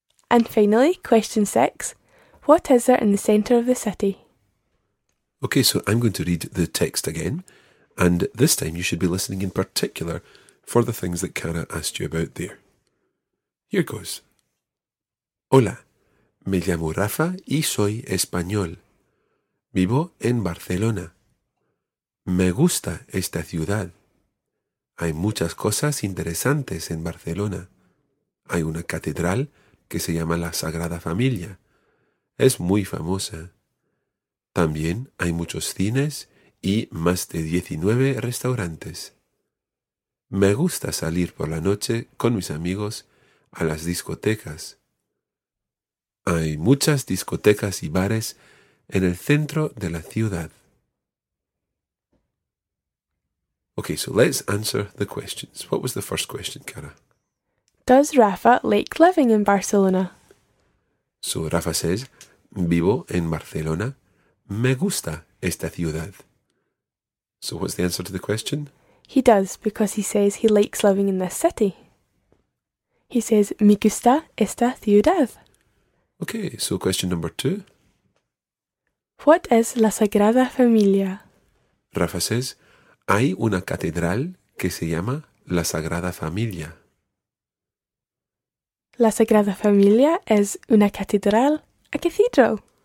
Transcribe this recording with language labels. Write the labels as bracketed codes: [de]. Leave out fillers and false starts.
[en] And finally, question six, what is there in the centre of the city? Okay, so I'm going to read the text again, and this time you should be listening in particular for the things that Cara asked you about there. Here goes. [es] Hola, me llamo Rafa y soy español. Vivo en Barcelona. Me gusta esta ciudad. Hay muchas cosas interesantes en Barcelona. Hay una catedral que se llama la Sagrada Familia. Es muy famosa. También hay muchos cines y más de 19 restaurantes. Me gusta salir por la noche con mis amigos a las discotecas. Hay muchas discotecas y bares en el centro de la ciudad. [en] Okay, so let's answer the questions. What was the first question, Cara? Does Rafa like living in Barcelona? So Rafa says, [es] vivo en Barcelona. Me gusta esta ciudad. [en] So what's the answer to the question? He does, because he says he likes living in this city. He says, [es] me gusta esta ciudad. [en] Okay, so question number two. What is la Sagrada Familia? Rafa says, [es] hay una catedral que se llama la Sagrada Familia. La Sagrada Familia es una catedral, [en] a cathedral.